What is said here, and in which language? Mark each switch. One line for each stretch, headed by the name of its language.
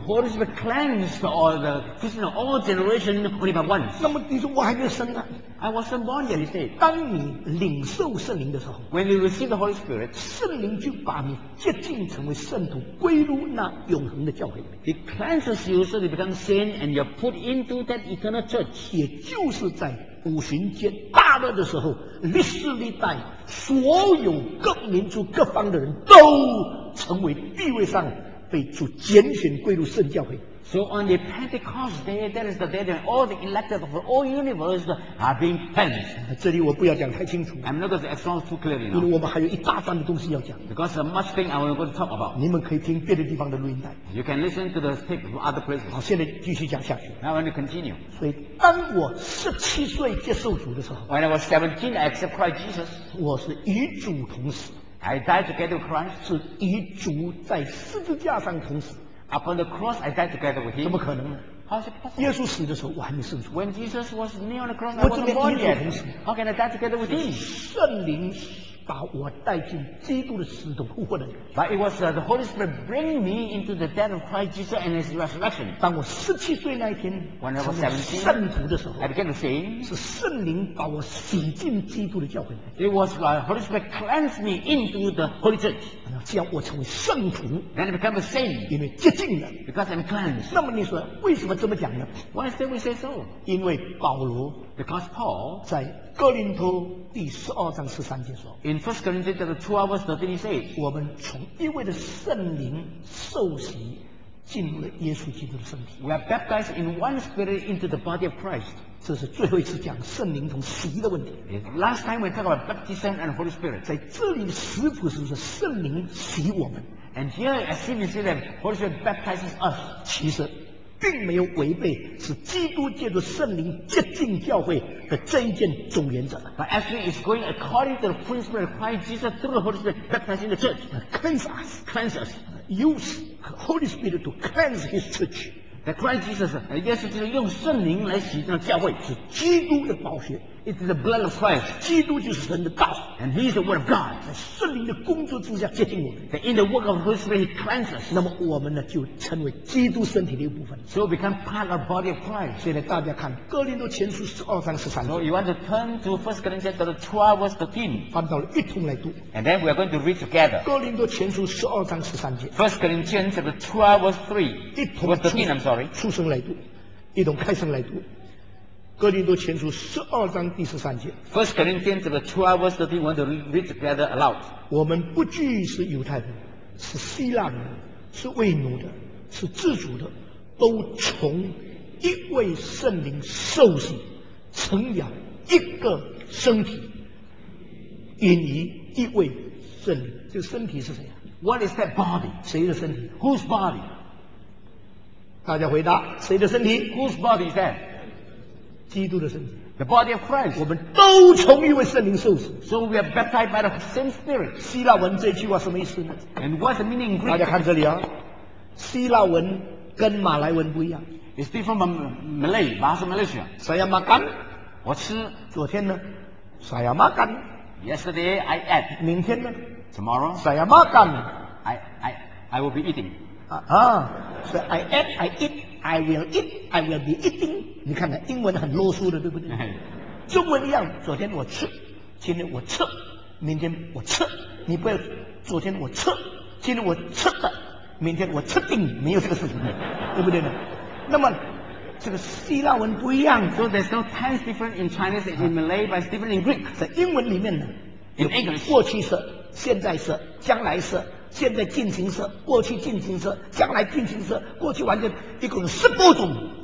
English: The Holy Spirit cleansed all the Christians of all generations only by once.
Chinese: 那么你说我还没生呢？
English: I wasn't born yet. He said,
Chinese: 当你领受圣灵的时候，
English: When you receive the Holy Spirit,
Chinese: 圣灵就把你洁净成为圣徒，归入那永恒的教会。
English: He cleanses you so you become saint and you're put into that eternal church.
Chinese: 也就是在五旬节大乐的时候，历世历代所有各民族各方的人都成为地位上被主拣选归入圣教会。
English: So on the Pentecost day, that is the day when all the elected of all universe are being cleansed.
Chinese: 这里我不要讲太清楚。
English: I'm not going to explain too clearly.
Chinese: 因为我们还有一大段的东西要讲。
English: Because there's much thing I want to talk about.
Chinese: 你们可以听别的地方的录音带。
English: You can listen to the tape from other places.
Chinese: 好，现在继续讲下去。
English: Now I want to continue.
Chinese: 所以当我十七岁接受主的时候
English: ，When I was 17, I accept Christ Jesus.
Chinese: 我是与主同死。
English: I died together with Christ.
Chinese: 是与主在十字架上同死。
English: Upon the cross, I died together with him.
Chinese: 怎么可能呢？
English: How is it possible?
Chinese: 耶稣死的时候，我还没圣主。
English: When Jesus was nailed on the cross, I wasn't born yet. How can I die together with him?
Chinese: 圣灵把我带进基督的死的复活的里面。
English: But it was the Holy Spirit bring me into the death of Christ Jesus and His resurrection.
Chinese: 当我十七岁那一天成为圣徒的时候
English: ，I began to sing.
Chinese: 是圣灵把我洗进基督的教会。
English: It was the Holy Spirit cleansed me into the Holy Church.
Chinese: 这样我成为圣徒
English: Then I become a saint,
Chinese: 因为洁净了
English: because I'm cleansed.
Chinese: 那么你说为什么这么讲呢
English: Why did we say so?
Chinese: 因为保罗
English: because Paul,
Chinese: 在哥林多第十二章十三节说
English: In 1 Corinthians 12 verse 13 he says,
Chinese: 我们从一位的圣灵受洗进入了耶稣基督的身体
English: We are baptized in one spirit into the body of Christ.
Chinese: 这是最后一次讲圣灵同洗的问题。
English: Last time we talk about baptism and Holy Spirit.
Chinese: 在这里的实质是不是圣灵洗我们
English: ？And here, as simply said, Holy Spirit baptizes us.
Chinese: 其实，并没有违背是基督借着圣灵洁净教会的这一件总原则。
English: But actually, it's going according to the principle of Christ Jesus through the Holy Spirit baptizing the church. Cleanse us. Use the Holy Spirit to cleanse His church. That Christ Jesus, yes, it is
Chinese: 用圣灵来洗净教会，是基督的宝血。
English: It is the blood of Christ.
Chinese: 基督就是神的道。
English: And He is the Word of God.
Chinese: 在圣灵的工作之下接近我们。
English: That in the work of Holy Spirit, He cleanses.
Chinese: 那么我们呢，就成为基督身体的一部分。
English: So become part of the body of Christ.
Chinese: 现在大家看哥林多前书十二章十三节。
English: So you want to turn to 1 Corinthians 12 verse 13.
Chinese: 翻到了一通来读。
English: And then we are going to read together.
Chinese: 哥林多前书十二章十三节。
English: 1 Corinthians 12 verse 3.
Chinese: 一同出
English: verse 13, I'm sorry.
Chinese: 出声来读，一同开声来读。哥林多前书十二章第十三节。
English: First Corinthians chapter 12 verse 13, want to read together aloud.
Chinese: 我们不拘是犹太人，是希腊人，是为奴的，是自主的，都从一位圣灵受洗，成了一个身体，因于一位圣灵。这个身体是谁啊
English: ？What is that body?
Chinese: 谁的身体
English: ？Whose body?
Chinese: 大家回答，谁的身体
English: ？Whose body is that?
Chinese: 基督的身体
English: The body of Christ
Chinese: 我们都从一位圣灵受洗
English: So we are baptized by the same spirit
Chinese: 希腊文这句话什么意思呢
English: And what's the meaning in Greek
Chinese: 大家看这里啊希腊文跟马来文不一样
English: It's different from Malay Bahasa Malaysia
Malay: Saya makan
Chinese: 我吃昨天呢
Malay: Saya makan
English: Yesterday I ate
Chinese: 明天呢
English: Tomorrow
Malay: Saya makan
English: I will be eating So I eat I will eat, I will be eating.
Chinese: 你看看英文很啰嗦的，对不对？中文一样，昨天我吃，今天我吃，明天我吃，你不要昨天我吃，今天我吃的，明天我吃定，没有这个事情，对不对呢？那么这个希腊文不一样。
English: So there's no tense different in Chinese and in Malay, but it's different in Greek.
Chinese: 在英文里面呢，有过去式、现在式、将来式、现在进行式、过去进行式、将来进行式、过去完成，一共十多种。